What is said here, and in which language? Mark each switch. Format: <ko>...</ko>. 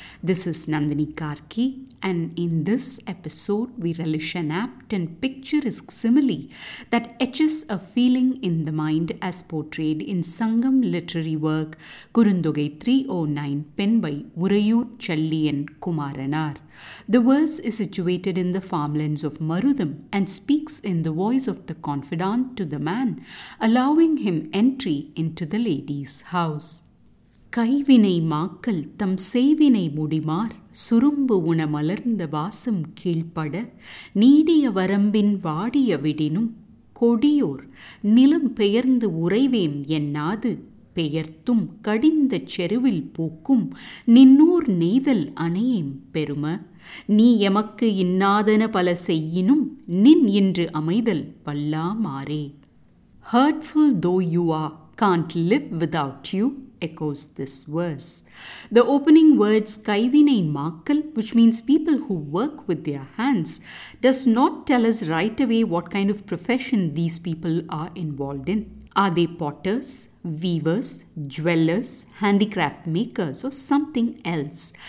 <en>This is Nandini Karki, and in this episode we relish an apt and picturesque simile that etches a feeling in the mind as portrayed in Sangam literary work Kurundogai 309 penned by Urayur Challiyan Kumaranar. The verse is situated in the farmlands of Marudam and speaks in the voice of the confidant to the man, allowing him entry into the lady's house.</en> <ta>கைவினை மாக்கள் தம் சேவினை முடிமார் சுரும்பு உணமலர்ந்த வாசம் கீழ்ப்பட நீடிய வரம்பின் வாடிய விடினும் கொடியோர் நிலம் பெயர்ந்து உறைவேம் என்னாது பெயர்த்தும் கடிந்த செருவில் பூக்கும் நின்னோர் நெய்தல் அணையேம் பெரும நீ எமக்கு இன்னாதன பல செய்யினும் நின் இன்று அமைதல் வல்லாமாறே.</ta> <en>Hurtful though you are can't live without you echoes this verse. The opening words kaivinai makkal, which means people who work with their hands, does not tell us right away what kind of profession these people are involved in. Are they potters, weavers, jewelers, handicraft makers, or something else?</en>